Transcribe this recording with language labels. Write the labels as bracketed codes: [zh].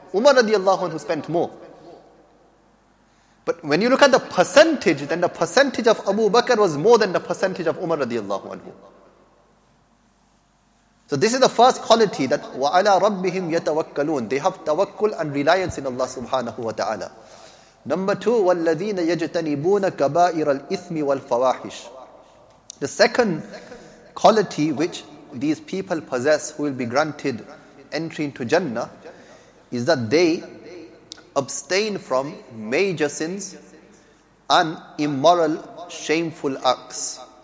[en] Umar radiallahu anhu spent more. But when you look at the percentage, then the percentage of Abu Bakr was more than the percentage of Umar radiallahu anhu. So this is the first quality, that [ar] وَعَلَىٰ رَبِّهِمْ يَتَوَكَّلُونَ, [en] they have tawakkul and reliance in Allah subhanahu wa ta'ala. Number two, [ar] وَالَّذِينَ يَجْتَنِبُونَ كَبَائِرَ الْإِثْمِ وَالْفَوَاحِشِ. [en] The second quality which these people possess who will be granted entry into Jannah is that they abstain from major sins and immoral, shameful acts.